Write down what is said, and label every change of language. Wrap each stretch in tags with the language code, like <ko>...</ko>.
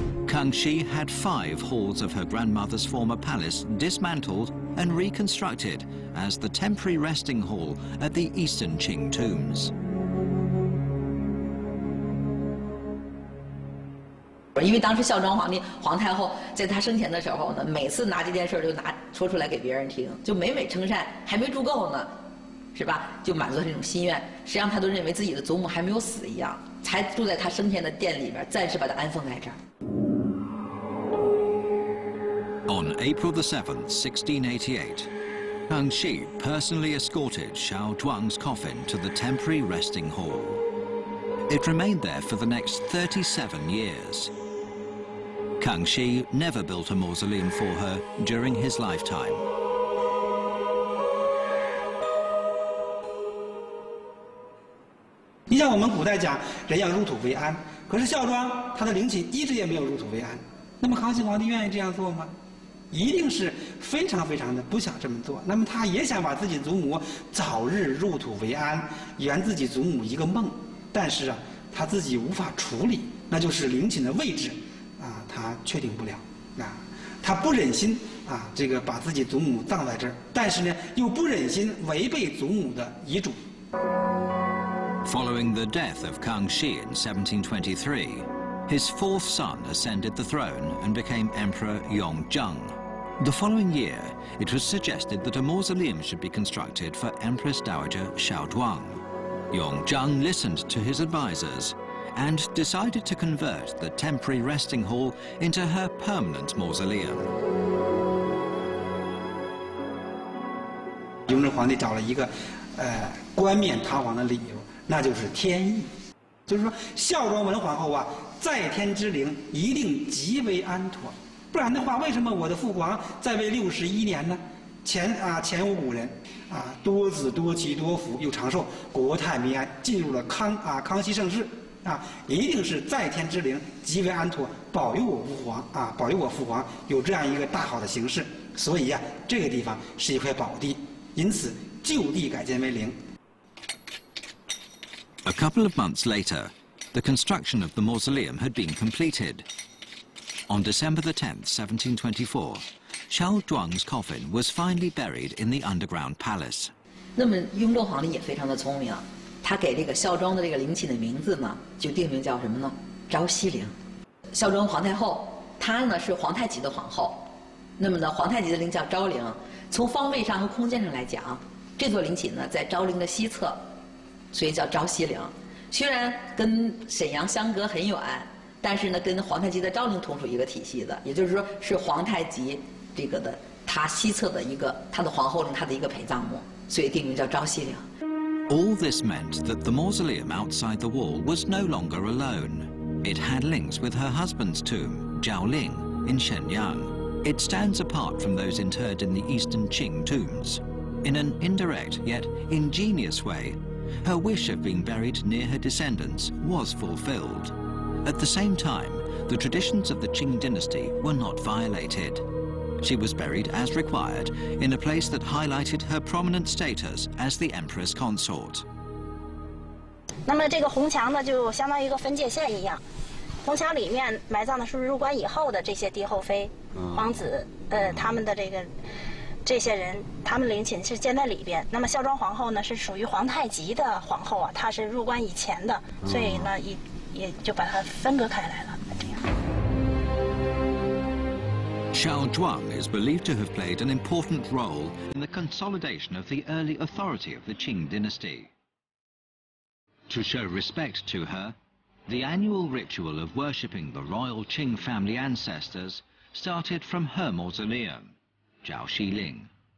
<en>Kangxi had five halls of her grandmother's former palace dismantled and reconstructed as the temporary resting hall at the Eastern Qing tombs.</en> <zh>因为当时孝庄皇帝皇太后在他生前的时候呢，每次拿这件事就拿说出来给别人听，就每每称赞，还没住够呢，是吧？就满足了这种心愿。实际上他都认为自己的祖母还没有死一样，才住在他生前的殿里边，暂时把他安放在这儿。</zh> <en>On April the 7th, 1688, Kang Xi personally escorted Xiao Zhuang's coffin to the temporary resting hall. It remained there for the next 37 years. Kang Xi never built a mausoleum for her during his lifetime. In our ancient times, people are to be buried with honor. But Xiao Zhuang, his body, never buried with honor. So, Kang Xi Emperor would like to do this?</en> <zh>一定是非常非常的不想这么做，那么他也想把自己祖母早日入土为安，圆自己祖母一个梦，但是啊，他自己无法处理，那就是陵寝的位置，啊，他确定不了，啊，他不忍心啊，这个把自己祖母葬在这儿，但是呢，又不忍心违背祖母的遗嘱。</zh> <en>Following the death of Kang Xi in 1723. His fourth son ascended the throne and became Emperor Yongzheng. The following year, it was suggested that a mausoleum should be constructed for Empress Dowager Xiao Zhuang. Yongzheng listened to his advisors and decided to convert the temporary resting hall into her permanent mausoleum.</en> <zh>Yongzheng 皇帝找了一个，冠冕堂皇的理由，那就是天意，就是说孝庄文皇后啊。在天之灵一定极为安妥，不然的话，为什么我的父皇在位61年呢？前无古人，啊，多子多妻多福又长寿，国泰民安，进入了康熙盛世，啊，一定是在天之灵极为安妥，保佑我父皇啊，保佑我父皇有这样一个大好的形势。所以呀，这个地方是一块宝地，因此就地改建为陵。</zh> <en>A couple of months later. The construction of the mausoleum had been completed. On December the 10th, 1724, Xiao Zhuang's coffin was finally buried in the underground palace.</en> <zh>那么雍正皇帝也非常的聪明，他给这个孝庄的这个陵寝的名字呢，就定名叫什么呢？昭西陵。孝庄皇太后，她呢是皇太极的皇后，那么呢皇太极的陵叫昭陵。从方位上和空间上来讲，这座陵寝呢在昭陵的西侧，所以叫昭西陵。虽然跟沈阳相隔很远，但是呢，跟皇太极的昭陵同属一个体系的，也就是说是皇太极这个的他西侧的一个他的皇后陵，他的一个陪葬墓，所以定名叫昭西陵。</zh> <en>All this meant that the mausoleum outside the wall was no longer alone. It had links with her husband's tomb, Zhao Ling, in Shenyang. It stands apart from those interred in the Eastern Qing tombs. In an indirect yet ingenious way. Her wish of being buried near her descendants was fulfilled. At the same time, the traditions of the Qing Dynasty were not violated. She was buried as required in a place that highlighted her prominent status as the Empress Consort.</en> <zh>那么这个红墙呢，就相当于一个分界线一样。红墙里面埋葬的是入关以后的这些帝后妃、皇子，他们的这个。这些人他们陵寝是建在里边，那么孝庄皇后呢是属于皇太极的皇后啊，她是入关以前的，所以呢也就把它分隔开来了。这样</zh> <en>Xiao Zhuang is believed to have played an important role in the consolidation of the early authority of the Qing dynasty. To show respect to her, the annual ritual of worshipping the royal Qing family ancestors started from her mausoleum. Zhao Xi Ling.</en>